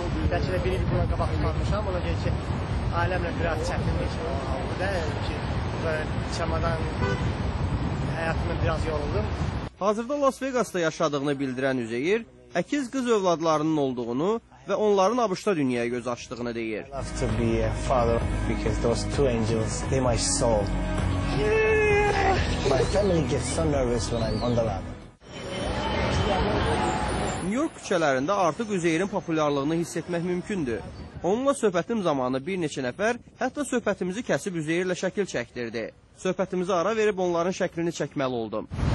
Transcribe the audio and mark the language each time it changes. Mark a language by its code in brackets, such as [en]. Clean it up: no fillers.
[az] Bəlkə də bir il buna qabaq tutmamışam, ona görə ki, ailəmlə biraz çəkinmiş. Bu da ki, çamadan həyatımda biraz yoruldum. Hazırda Las Vegas'da yaşadığını bildirən Üzeyir, əkiz qız övladlarının olduğunu və onların ABŞ-da dünyaya göz açdığını deyir. [en] I love to be a father because those two angels, they my soul. My family gets so nervous when I'm on the ladder. [az] New York küçələrində artıq Üzeyirin populyarlığını hiss etmək mümkündür. Onunla söhbətim zamanı bir neçə nəfər hətta söhbətimizi kəsib Üzeyirlə şəkil çəkdirdi. Söhbətimizi ara verib onların şəklini çəkməli oldum.